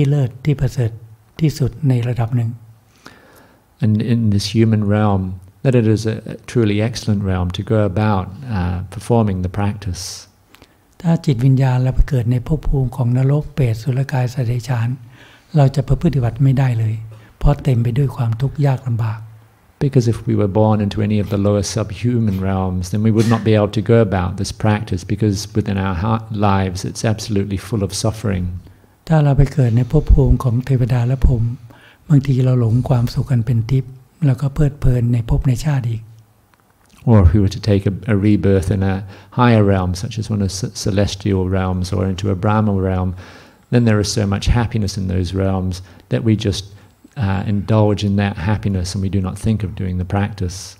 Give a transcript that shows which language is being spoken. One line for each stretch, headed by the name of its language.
Thai: เรามีโอกาสอันดีที่จะพัฒนาจิตใจของเราเพราะในภพภูมิของมนุษย์นี้เป็นภพภูมิที่เลิศที่ประเสริฐที่สุดในระดับหนึ่ง
English: And in this human realm, that it is a truly excellent realm to go about performing the practice.
Thai: ถ้าจิตวิญญาณเราไปเกิดในภพภูมิของนรกเปรตสุรกายสัตว์เดรัจฉานเราจะประพฤติปฏิบัติไม่ได้เลยเพราะเต็มไปด้วยความทุกข์ยากลำบาก
English: Because if we were born into any of the lower subhuman realms, then we would not be able to go about this practice because within our heart lives it's absolutely full of suffering.
Thai: ถ้าเราไปเกิดในภพภูมิของเทวดาและพรหม บางทีเราหลงความสุขกันเป็นทิพย์แล้วก็เพลิดเพลินในภพในชาติอีก
English: Or if we were to take a rebirth in a higher realm such as one of celestial realms or into a Brahma realm then there is so much happiness in those realms that we just indulge in that happiness and we do not think of doing the practice